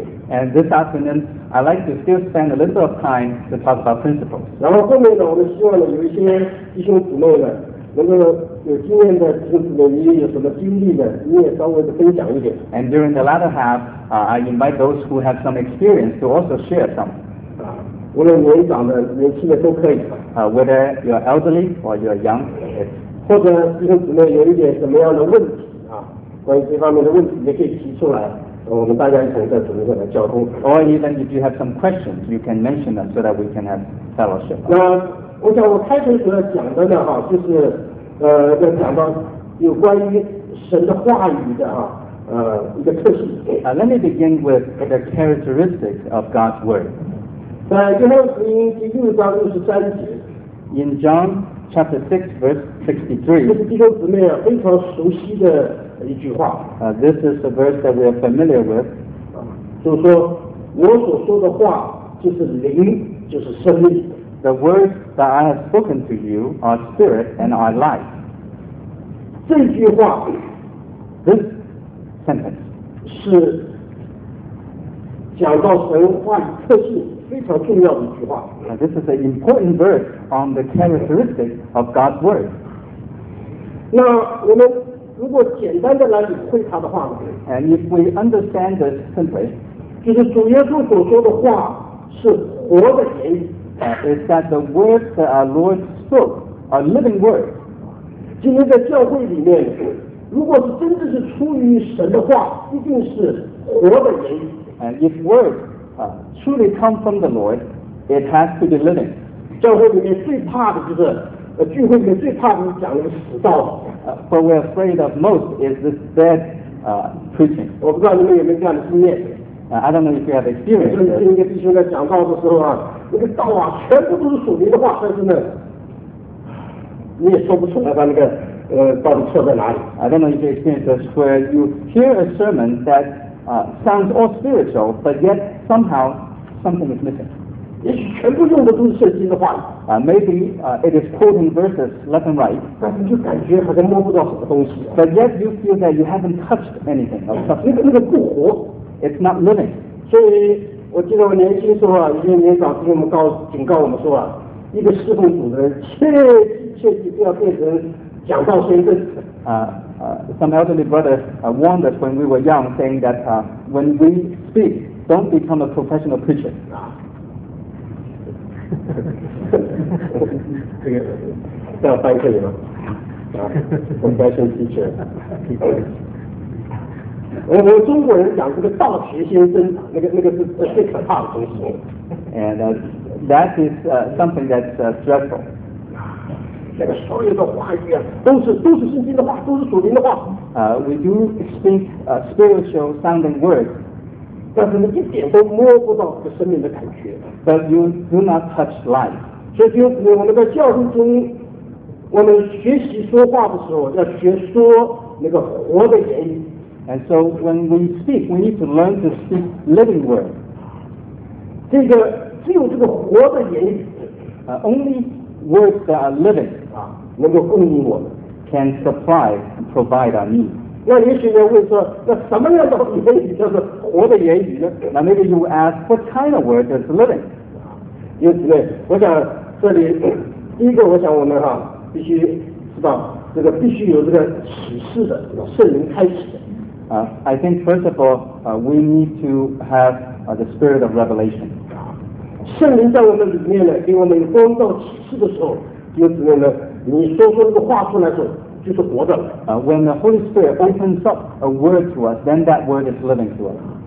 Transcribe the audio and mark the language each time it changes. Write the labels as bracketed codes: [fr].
[en] And this afternoon, I'd like to still spend a little of time to talk about principles. [zh] 然后后面呢，我们希望呢，有一些弟兄姊妹呢，能够有经验的弟兄姊妹，你有什么经历呢？你也稍微的分享一点。 [en] And during the latter half, I invite those who have some experience to also share some. [zh] 无论年长的、年轻的都可以。 [en] Whether you're elderly or you're young, [zh] 或者弟兄姊妹有一点什么样的问题啊，关于这方面的问题，也可以提出来。我们大家一起在主日上来交通。 [en] Or even if you have some questions, you can mention them so that we can have fellowship. [zh] 那我想我开头主要讲的呢，哈，就是要讲到有关于神的话语的哈，一个特性。 [en] Let me begin with the characteristics of God's word. [zh] 在约翰福音第六章六十三节。 [en] In John chapter 6 verse 63. [zh] 这是弟兄姊妹啊非常熟悉的。一句话 [en] this is the verse that we are familiar with. [zh] 就说我所说的话就是灵，就是生命。 [en] The words that I have spoken to you are spirit and are life. [zh] 这句话 [en] this sentence [zh] 是讲到神话语特性非常重要的一句话 [en] this is an important verse on the characteristic of God's word. [zh] 那我们如果简单的来理会他的话呢 [en] ？And if we understand this simply, [zh] 就是主耶稣所说的话是活的言语。 [en] Is that the words that our Lord spoke are living words? [zh] 今天在教会里面，如果是真的是出于神的话，一定是活的言语。 [en] And if words truly come from the Lord, it has to be living. [zh] 教会里面最怕的就是。聚会里面最怕就是讲那个死道。 [en] What we're afraid of most is this dead preaching. [zh] 我不知道你们有没有这样的经验。 [en] I don't know if you have experience. [zh] 就是听一个弟兄在讲道的时候啊，那个道啊，全部都是属灵的话，但是呢，你也说不出来他那个到底错在哪里。 [en] I don't know if you have experience this, where you hear a sermon that sounds all spiritual, but yet somehow something is missing. [zh] 也许全部用的都是圣经的话 [en] 啊 ，maybe it is quoting verses left and right， [zh] 但是就感觉好像摸不到什么东西。 [en] But yet you feel that you haven't touched anything of substance。 [zh] 那个不活 [en] ，it's not living。 [zh] 所以我记得我年轻时候啊，一些年长给我们警告我们说啊，一个侍奉主的人切记不要变成讲道先生。 [en] Some elderly brother warned us when we were young, saying that when we speak, don't become a professional preacher。 [zh] 这个在班可以吗？ [en] professional teacher。 [zh] 我中国人讲这个道学先生，那个是最可怕的东西。 [en] And that is something that's stressful。 [zh] 那个所有的话语啊，都是圣经的话，都是属灵的话。 [en] We do speak spiritual sounding words。 [zh] 但是你一点都摸不到这个生命的感觉。 [en] But you do not touch life. [zh] 所以就我们在教会中，我们学习说话的时候，要学说那个活的言语。 [en] And so when we speak, we need to learn to speak living words. [zh] 这个只有这个活的言语 [en] ，only words that are living [zh] 啊，能够供应我们 [en] ，can supply and provide our needs. [zh] 那也许人会说，那什么样的言语叫做活的言语呢？ [en] 那 maybe you ask, what kind of word is living? [zh] 弟兄姊妹，我想这里第一个，我想我们哈、啊、必须知道这个必须有这个启示的，有圣灵开启的。 [en] I think first of all, we need to have the spirit of revelation. [zh] 圣灵在我们里面呢，给我们光照启示的时候，弟兄姊妹呢，你说出这个话出来的时候。就是活着了。 [en] When the Holy Spirit opens up a word to us, then that word is living to us.